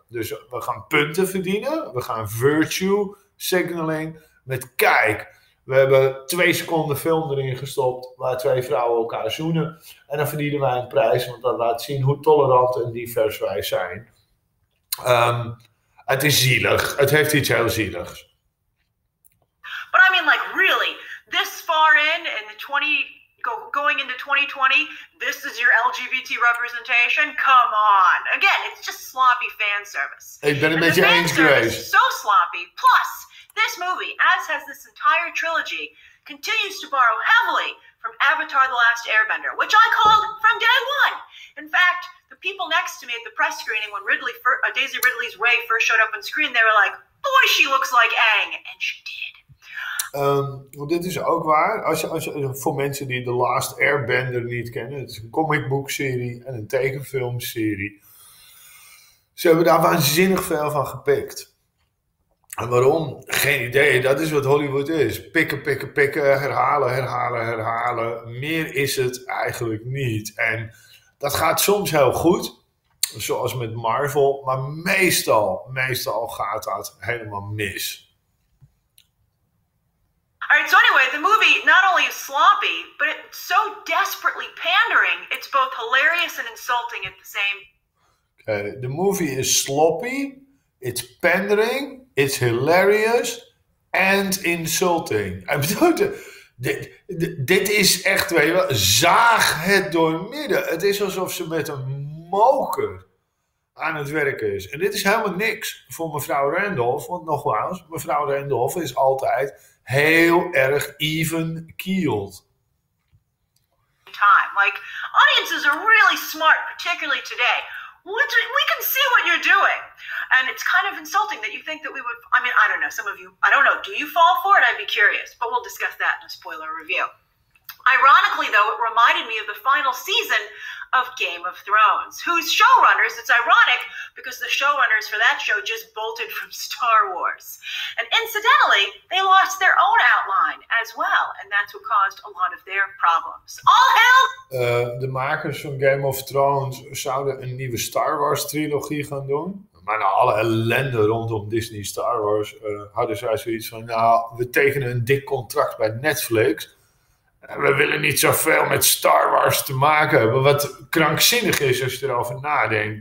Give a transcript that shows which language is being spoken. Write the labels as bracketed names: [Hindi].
[Dutch] Dus we gaan punten verdienen. We gaan virtue signaling met kijk. We hebben 2 seconden film erin gestopt waar 2 vrouwen elkaar zoenen. En dan verdienen wij een prijs, want dat laat zien hoe tolerant en divers wij zijn. Het is zielig. Het heeft iets heel zieligs. [English] But I mean, like, really, this far in the 20, going into 2020, this is your LGBT representation? Come on. Again, it's just sloppy fan service. Hey, Ben, it's fan service, so sloppy. Plus, this movie, as has this entire trilogy, continues to borrow heavily from Avatar The Last Airbender, which I called from day one. In fact, the people next to me at the press screening when Daisy Ridley's Rey first showed up on screen, they were like, boy, she looks like Aang. And she did. [Dutch] Dit is ook waar. Als je, voor mensen die The Last Airbender niet kennen, het is een comicboekserie en een tekenfilmserie. Ze hebben daar waanzinnig veel van gepikt. En waarom? Geen idee. Dat is wat Hollywood is. Pikken, pikken, pikken, herhalen, herhalen, herhalen. Meer is het eigenlijk niet. En dat gaat soms heel goed, zoals met Marvel, maar meestal gaat dat helemaal mis. [English] All right, so anyway, the movie not only is sloppy, but it's so desperately pandering, it's both hilarious and insulting at the same time. Okay, the movie is sloppy, it's pandering, it's hilarious and insulting. [Dutch] Ik bedoel, dit is echt, weet je wel, zaag het door midden. Het is alsof ze met een moker aan het werken is. En dit is helemaal niks voor mevrouw Randolph, want nogmaals, mevrouw Randolph is altijd heel erg [English] even keeled. Time, like, audiences are really smart, particularly today. We can see what you're doing. And it's kind of insulting that you think that we would, I mean, I don't know, some of you, I don't know, do you fall for it? I'd be curious, but we'll discuss that in a spoiler review. Ironically, though, it reminded me of the final season of Game of Thrones, whose showrunners, it's ironic, because the showrunners for that show just bolted from Star Wars. And incidentally, they lost their own outline as well, and that's what caused a lot of their problems. All hell! [Dutch] De makers van Game of Thrones zouden een nieuwe Star Wars trilogie gaan doen. Maar na alle ellende rondom Disney Star Wars hadden zij zoiets van, nou, we tekenen een dik contract bij Netflix. We willen niet zoveel met Star Wars te maken hebben. Wat krankzinnig is als je erover nadenkt.